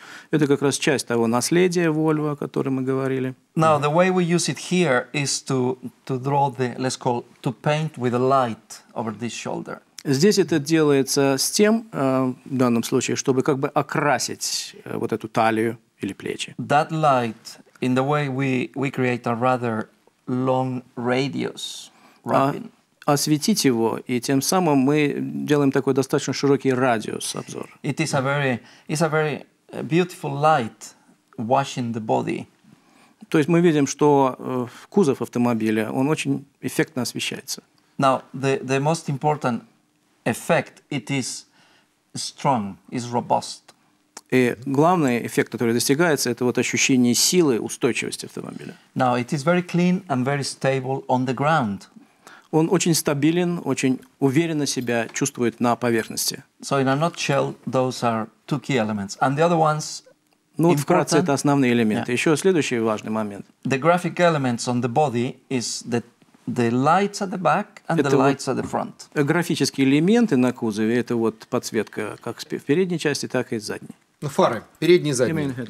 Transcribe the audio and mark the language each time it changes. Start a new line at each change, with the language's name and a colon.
Russian: Это как раз часть того наследия Volvo, о котором мы говорили.
English: Now the way we use it here is to draw the, let's call, to paint with a light over this shoulder.
Russian: Здесь это делается с тем, в данном случае, чтобы как бы окрасить вот эту талию или плечи.
English: That light, in the way we create a rather long radius wrapping.
Russian: Осветить его, и тем самым мы делаем такой достаточно широкий радиус обзора.
English: It is a very beautiful light washing the body.
Russian: То есть мы видим, что кузов автомобиля, он очень эффектно освещается.
English: Now, the most important effect, it is strong, is robust.
Russian: И главный эффект, который достигается, это вот ощущение силы, устойчивости автомобиля.
English: Now, it is very clean and very stable on the ground.
Russian: Он очень стабилен, очень уверенно себя чувствует на поверхности.
English: So in a nutshell, those are two key elements. And the other ones,
Russian: ну, вот вкратце, это основные элементы.
English: Yeah.
Russian: Еще следующий важный момент.
English: The graphic elements on the body is the lights at the back and это the lights at the front.
Russian: Графические элементы на кузове – это вот подсветка как в передней части, так и в задней. Ну, фары, передние и задние.